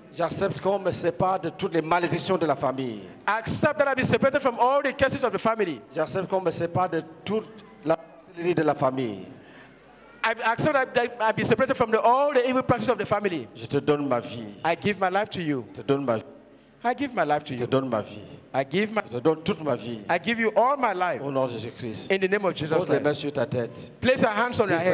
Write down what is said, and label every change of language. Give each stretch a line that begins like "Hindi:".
French: J'accepte qu'on me sépare de toutes les malédictions de la famille.
English: I accept that I be separated from all the curses of the family.
French: J'accepte qu'on me sépare de toute la sorcellerie de la famille.
English: I accept that I be separated from all the evil practices of the family.
French: Je te donne ma vie.
English: I give my life to you.
French: Je te donne ma vie.
English: I give my life to you.
French: Je te donne ma vie.
English: I give my,
French: je te donne toute ma vie.
English: I give you all my life.
French: Au nom de Jésus-Christ.
English: In the name of Jesus.
French: Pose les mains sur ta tête.
English: Place your hands on
French: dis
English: your head.